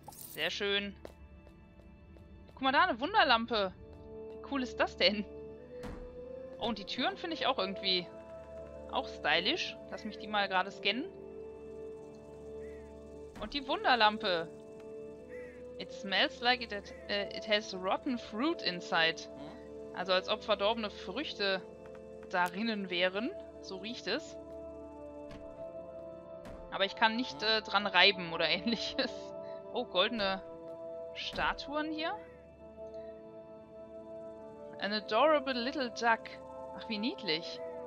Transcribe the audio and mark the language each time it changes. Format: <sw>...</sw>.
<de>Sehr schön. Guck mal da, eine Wunderlampe. Wie cool ist das denn? Oh, und die Türen finde ich auch irgendwie auch stylisch. Lass mich die mal gerade scannen. Und die Wunderlampe.</de> <en>It smells like it has rotten fruit inside.</en> <de>Also als ob verdorbene Früchte darinnen wären. So riecht es. Aber ich kann nicht dran reiben oder ähnliches. Oh, goldene Statuen hier.</de> <en>An adorable little duck.</en> <de>Ach, wie niedlich.</de>